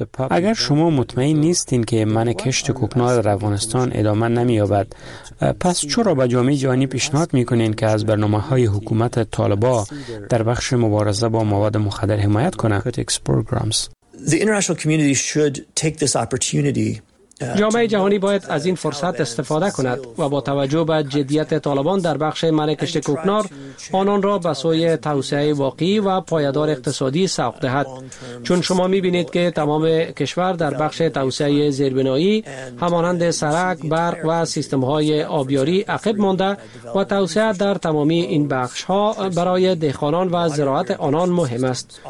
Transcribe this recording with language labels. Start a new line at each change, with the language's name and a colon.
Persian: اگر شما مطمئن نیستین که منع کشت کوکنار در افغانستان ادامه نمییابد، پس چرا به جامعه جهانی پیشنهاد میکنین که از برنامه های حکومت طالبا در بخش مبارزه با مواد مخدر حمایت کنند؟
English: The international community should take this opportunity
Persian: جامعه جهانی باید از این فرصت استفاده کند و با توجه به جدیت طالبان در بخش مراکش کوکنار آنان را به سوی توسعه واقعی و پایدار اقتصادی سوق دهد. چون شما می‌بینید که تمام کشور در بخش توسعه زیربنایی همانند سرک، برق و سیستم‌های آبیاری عقب مانده و توسعه در تمامی این بخش‌ها برای دهقانان و زراعت آنان مهم است.